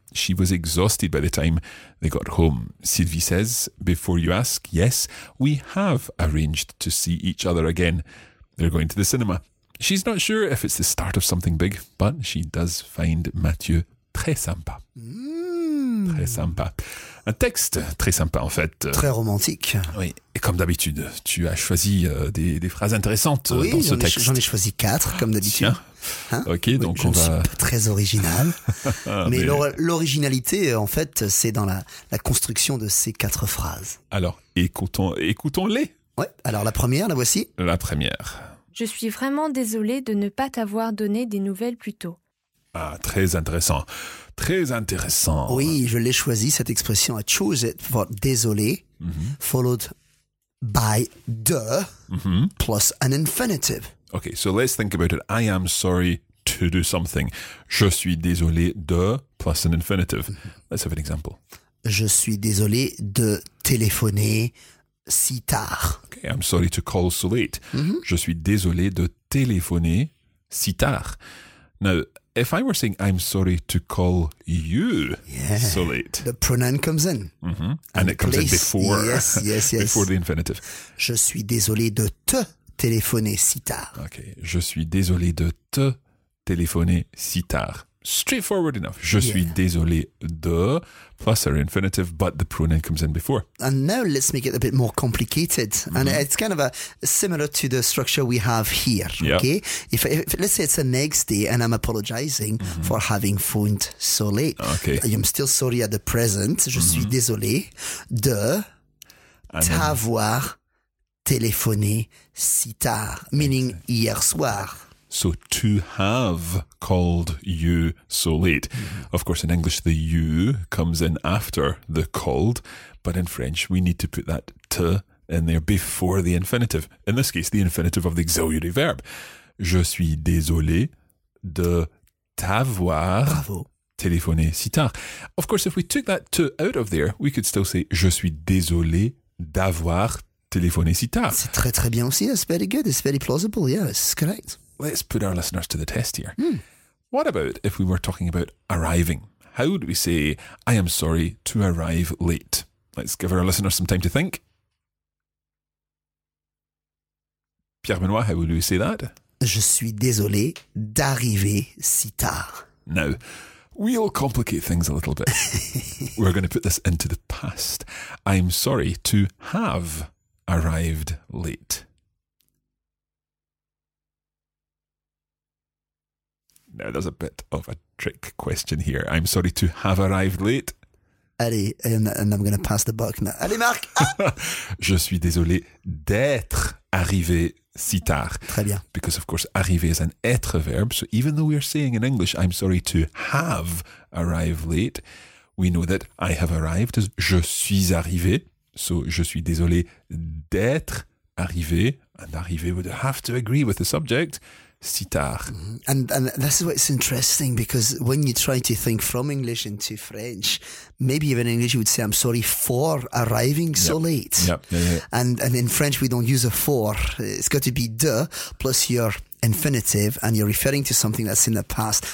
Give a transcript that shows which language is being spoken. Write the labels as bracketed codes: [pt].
[en] She was exhausted by the time they got home. Sylvie says, "Before you ask, yes, we have arranged to see each other again. They're going to the cinema." She's not sure if it's the start of something big, but she does find Mathieu [fr] très sympa. Très sympa. Un texte très sympa, en fait. Très romantique. Oui, et comme d'habitude, tu as choisi des phrases intéressantes oui, dans ce texte. Oui, j'en ai choisi quatre, comme d'habitude. Tiens. Hein? Ok, oui, donc on va... Je ne suis pas très original, mais l'originalité, en fait, c'est dans la construction de ces quatre phrases. Alors, écoutons-les. Oui, alors la première, la voici. La première. Je suis vraiment désolée de ne pas t'avoir donné des nouvelles plus tôt. Ah, très intéressant. Très intéressant. Oui, je l'ai choisi, cette expression. [en] I choose it for désolé, followed by de, plus an infinitive. Ok, so let's think about it. I am sorry to do something. [fr] Je suis désolé de, [en] plus an infinitive. Let's have an example. [fr] Je suis désolé de téléphoner si tard. [en] Ok, I'm sorry to call so late. [fr] Je suis désolé de téléphoner si tard. [en] Now, if I were saying I'm sorry to call you so late, the pronoun comes in, and it comes in before, before the infinitive. [fr] Je suis désolé de te téléphoner si tard. Okay, je suis désolé de te téléphoner si tard. [en] Straightforward enough. [fr] Je suis désolé de [en] plus our infinitive, but the pronoun comes in before. And now let's make it a bit more complicated, and it's kind of a similar to the structure we have here. Okay, if let's say it's the next day, and I'm apologizing for having phoned so late. Okay, I'm still sorry at the present. [fr] Je suis désolé de t'avoir téléphoné si tard, meaning hier soir. [en] So, to have called you so late. Of course, in English, the you comes in after the called, but in French, we need to put that te in there before the infinitive. In this case, the infinitive of the auxiliary verb. [fr] Je suis désolé de t'avoir téléphoné si tard. [en] Of course, if we took that te out of there, we could still say, [fr] je suis désolé d'avoir téléphoné si tard. C'est très, très bien aussi. [en] It's very good. It's very plausible. Yeah, it's correct. Let's put our listeners to the test here. What about if we were talking about arriving? How would we say, I am sorry to arrive late? Let's give our listeners some time to think. Pierre Benoit, how would we say that? [fr] Je suis désolé d'arriver si tard. [en] Now, we'll complicate things a little bit. We're going to put this into the past. I'm sorry to have arrived late. Now, there's a bit of a trick question here. I'm sorry to have arrived late. Allez, and I'm going to pass the buck now. [fr] Allez, Marc! Je suis désolé d'être arrivé si tard. Très bien. [en] Because, of course, arriver is an être verb. So even though we are saying in English, I'm sorry to have arrived late, we know that I have arrived is [fr] je suis arrivé. So je suis désolé d'être arrivé. [en] And arrivé would have to agree with the subject. [fr] Si tard. [en] And that's what's interesting, because when you try to think from English into French, maybe even in English you would say, I'm sorry for arriving so late. And in French we don't use a for. It's got to be de plus your infinitive, and you're referring to something that's in the past.